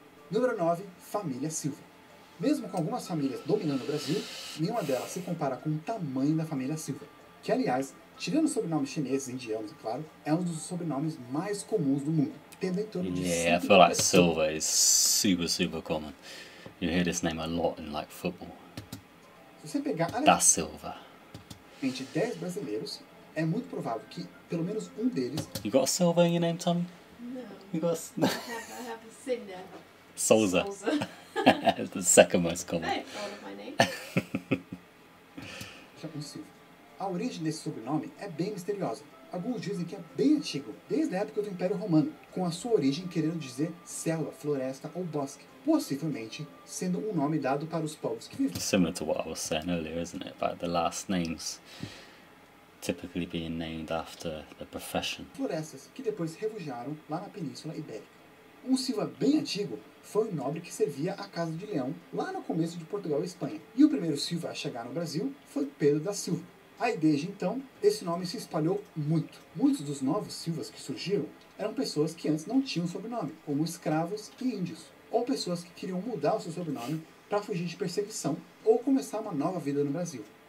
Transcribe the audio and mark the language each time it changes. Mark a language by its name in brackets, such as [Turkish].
[Portuguese] Número 9, família Silva. Mesmo com algumas famílias dominando o Brasil, nenhuma delas se compara com o tamanho da família Silva, que, aliás, tirando sobrenomes chineses e indianos, é claro, é um dos sobrenomes mais comuns do mundo, tendo em torno de 150 pessoas. [English] Yeah, I feel like Silva is super, super common. You hear this name a lot in, like, football. [Portuguese] Você pegar da Silva. Entre 10 brasileiros, é muito provável que pelo menos um deles. [English] You got a Silva in your name, Tommy? No. You got a... I have a Silva. Souza. It's the second most common. I have thought of my name. [Portuguese] A origem desse sobrenome é bem misteriosa. Alguns dizem que é bem antigo, desde a época do Império Romano, com a sua origem querendo dizer selva, floresta ou bosque, possivelmente sendo um nome dado para os povos que viviam. [English] Similar to what I was saying earlier, isn't it? About the last names typically being named after the profession. [Portuguese] Florestas que depois refugiaram lá na Península Ibérica. Um Silva bem antigo foi um nobre que servia a Casa de Leão lá no começo de Portugal e Espanha. E o primeiro Silva a chegar no Brasil foi Pedro da Silva. Aí, desde então, esse nome se espalhou muito. Muitos dos novos Silvas que surgiram eram pessoas que antes não tinham sobrenome, como escravos e índios, ou pessoas que queriam mudar o seu sobrenome para fugir de perseguição ou começar uma nova vida no Brasil.